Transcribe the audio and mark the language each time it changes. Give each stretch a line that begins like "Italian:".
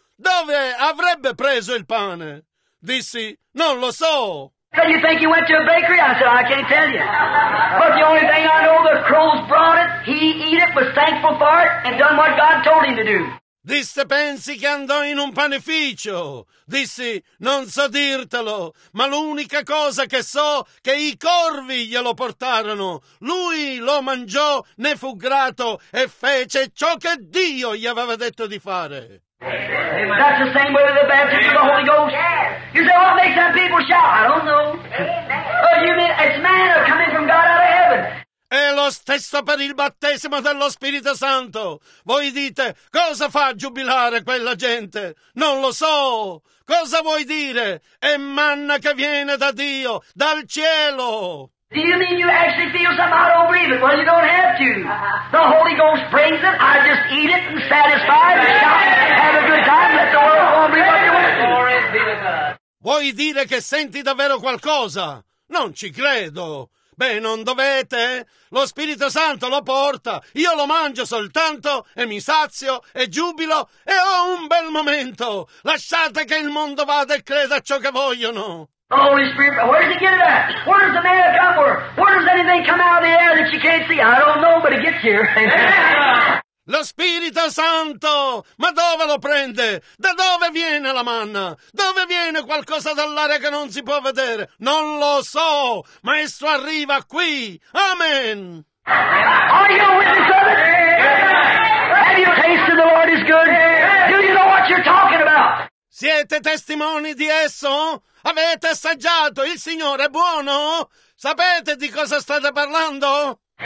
Italian: Dove avrebbe preso il pane? Dissi, non lo so.
English: Do you think he went to a bakery? I said, I can't tell you. But the only thing I know, the crows brought it, he eat it, was thankful for it, and done what God told him to do.
Italian: Disse, pensi che andò in un panificio? Dissi, non so dirtelo, ma l'unica cosa che so è che i corvi glielo portarono. Lui lo mangiò, ne fu grato e fece ciò che Dio gli aveva detto di fare. Amen.
English: That's the same way with the baptism of the Holy Ghost. Yes. You say, what makes that people shout? I don't know. Amen. Oh, you mean it's manna coming from God out of heaven.
Italian: È lo stesso per il battesimo dello Spirito Santo. Voi dite, cosa fa a giubilare quella gente? Non lo so. Cosa vuoi dire? È manna che viene da Dio, dal cielo.
English: Do you mean you actually feel something? I don't believe it. Well, you don't have to. The Holy Ghost brings it. I just eat it and satisfy and shout, have a good time, let the world home be what you want to.
Italian: Vuoi dire che senti davvero qualcosa? Non ci credo. Beh, non dovete. Lo Spirito Santo lo porta. Io lo mangio soltanto e mi sazio e giubilo e ho un bel momento. Lasciate che il mondo vada e creda ciò che vogliono.
English: Holy Spirit, where does he get it at? Where does the man come from? Where does anything come out of the air that you can't see? I don't know, but it gets here.
Italian: Lo Spirito Santo, ma dove lo prende? Da dove viene la manna? Dove viene qualcosa dall'aria che non si può vedere? Non lo so, ma esso arriva qui. Amen.
English: Are you a witness of it? Have you tasted the Lord is good? Do you know what you're talking about?
Italian: Siete testimoni di esso? Avete assaggiato il Signore buono? Sapete di cosa state parlando?